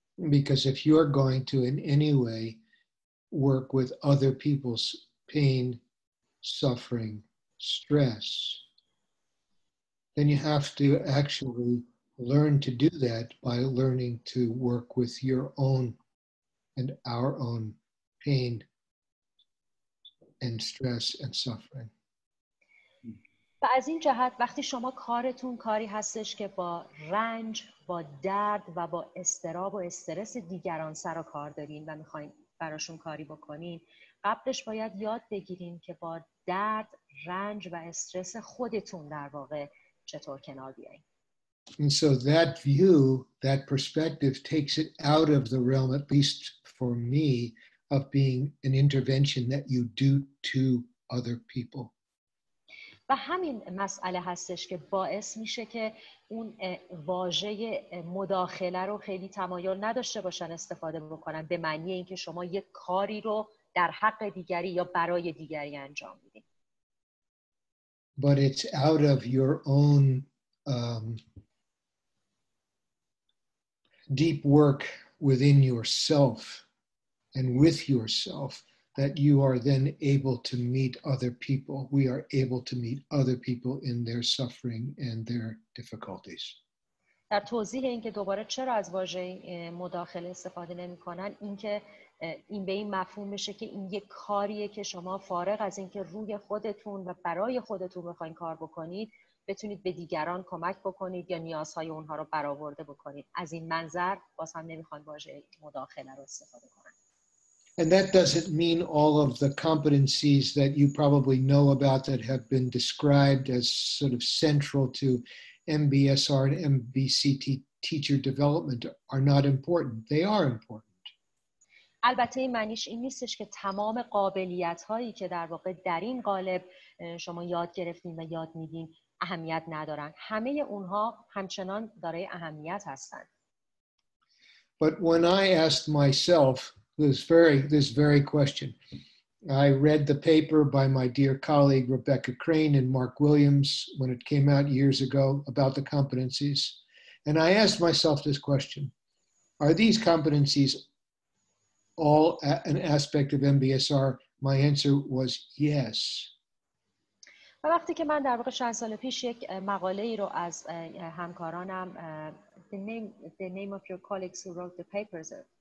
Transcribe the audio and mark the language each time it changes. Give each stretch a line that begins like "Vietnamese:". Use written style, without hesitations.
English: Because if you are going to in any way work with other people's pain, suffering, stress, then you have to actually learn to do that by learning to work with your own and our own pain and stress and suffering.
Persian: و از این جهت وقتی شما کارتون کاری هستش که با رنج، با درد و با استراب و استرس دیگران سر و کار دارین و میخواین براشون کاری بکنین، قبلش باید یاد بگیرین که با درد، رنج و استرس خودتون در واقع چطور کنار بیاین.
English: And so that view, that perspective takes it out of the realm, at least for me, of being an intervention that you do to other people.
Persian: و همین مسئله هستش که باعث میشه که اون واژه مداخله رو خیلی تمایل نداشته باشن استفاده بکنن به معنی اینکه شما یک کاری رو در حق دیگری یا برای دیگری انجام میدین.
English: But it's out of your own deep work within yourself and with yourself that you are then able to meet other people. We are able to meet other people in their suffering and their difficulties.
Persian: در توضیح اینکه دوباره چرا از واژه مداخله استفاده نمی‌کنن، اینکه این به این مفهوم میشه که این یک کاریه که شما فارغ از اینکه روی خودتون و برای خودتون بخواید کار بکنید، بتونید به دیگران کمک بکنید یا نیازهای اونها رو برآورده بکنید. از این منظر باز هم نمی‌خوان واژه مداخله رو استفاده کنن.
English: And that doesn't mean all of the competencies that you probably know about that have been described as sort of central to MBSR and MBCT teacher development are not important. They are important.
Persian: البته این معنیش این نیستش که تمام قابلیت‌هایی که در واقع در این قالب شما یاد گرفتین و یاد می‌دین اهمیت ندارن. همه اونها همچنان دارای اهمیت هستن.
English: But when I asked myself this very question, I read the paper by my dear colleague Rebecca Crane and Mark Williams when it came out years ago about the competencies, and I asked myself this question: are these competencies all an aspect of MBSR? My answer was yes.
Persian: وقتی که من در واقع 6 سال پیش یک مقاله ای رو از همکارانم
English: the name of your colleagues who wrote the papers